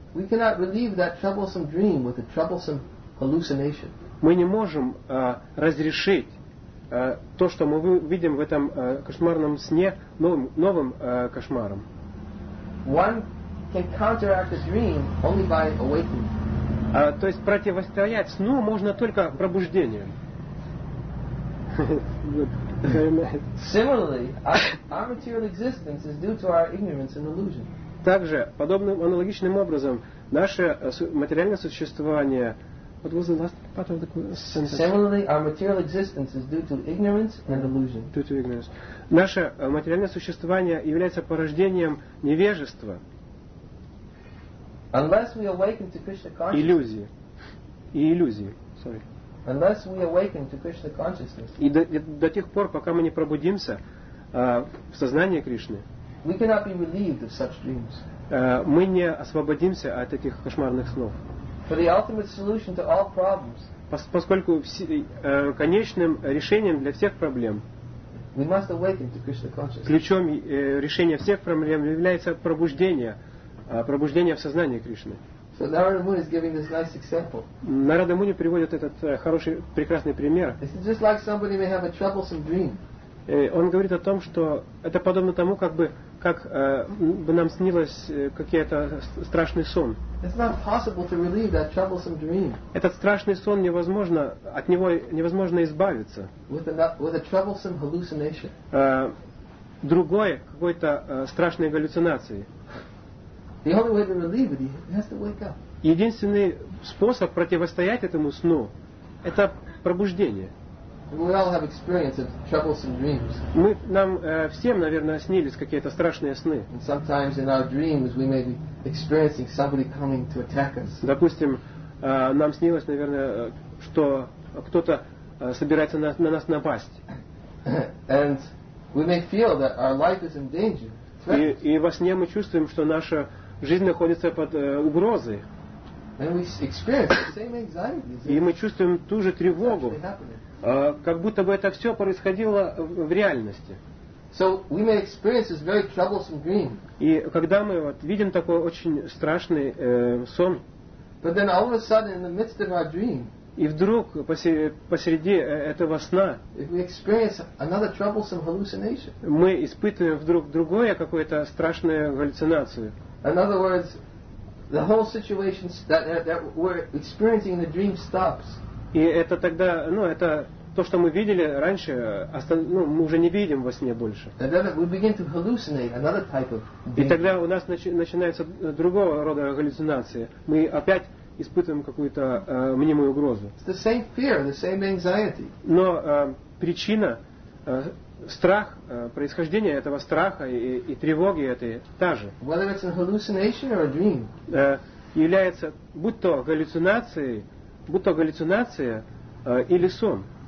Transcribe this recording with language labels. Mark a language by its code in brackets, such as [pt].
[en] we cannot relieve that troublesome dream with a troublesome hallucination. [ru] Мы не можем разрешить то, что мы видим в этом кошмарном сне, новым кошмаром. [en] One can counteract a dream only by awakening. [ru] То есть противостоять сну можно только пробуждением. [en] Very nice. Similarly, our material existence is due to our ignorance and illusion. [ru] Также подобным аналогичным образом наше материальное существование. [en] What was the last part of the sentence? Similarly, our material existence is due to ignorance and illusion. Due to ignorance. [ru] Наше материальное существование является порождением невежества. [en] Unless we awaken to Krishna consciousness. [ru] Иллюзии. И иллюзии. [en] Sorry. Unless we awaken to Krishna consciousness. [ru] И до тех пор, пока мы не пробудимся в сознании Кришны. [en] We cannot be relieved of such dreams. [ru] Мы не освободимся от этих кошмарных снов. [en] For the ultimate solution to all problems. [ru] Поскольку конечным решением для всех проблем. [en] We must awaken to Krishna consciousness. [ru] Ключом решения всех проблем является пробуждение в сознании Кришны. [en] So Narada Muni is giving this nice example. [ru] Narada Muni приводит этот хороший прекрасный пример. [en] It's just like somebody may have a troublesome dream. [ru] Он говорит о том, что это подобно тому, как бы как бы нам снилось какие-то страшный сон. [en] It's not possible to relieve that troublesome dream. [ru] Этот страшный сон невозможно от него невозможно избавиться. [en] With a troublesome hallucination. [ru] Другой какой-то страшной галлюцинации. [en] The only way to relieve it, he has to wake up. [ru] Единственный способ противостоять этому сну – это пробуждение. [en] We all have experience of troublesome dreams. [ru] Нам всем, наверное, снились какие-то страшные сны. [en] And sometimes in our dreams we may be experiencing somebody coming to attack us. [ru] Допустим, нам снилось, наверное, что кто-то собирается на нас напасть. [en] And we may feel that our life is in danger. [ru] И во сне мы чувствуем, что наша жизнь находится под угрозой. [en] And we experience the same anxiety. [ru] И мы чувствуем ту же тревогу. Как будто бы это все происходило в реальности. [en] So we may experience this very troublesome dream. [ru] И когда мы вот видим такой очень страшный сон, [en] but then all of a sudden in the midst of our dream, [ru] и вдруг посреди этого сна, [en] if we experience another troublesome hallucination, [ru] мы испытываем вдруг другое какое-то страшную галлюцинацию. [en] In other words, the whole situation that we're experiencing in the dream stops. [ru] И это тогда, ну, это то, что мы видели раньше, ну, мы уже не видим во сне больше. [en] And then we begin to hallucinate another type of [ru] dream. И тогда у нас начинается другого рода галлюцинации. Мы опять испытываем какую-то мнимую угрозу. [en] It's the same fear, the same anxiety. [ru] Но причина, страх, происхождение этого страха и тревоги этой та же. [en] Whether it's a hallucination or a dream. [ru] Является, будь то галлюцинацией, будто галлюцинация или сон.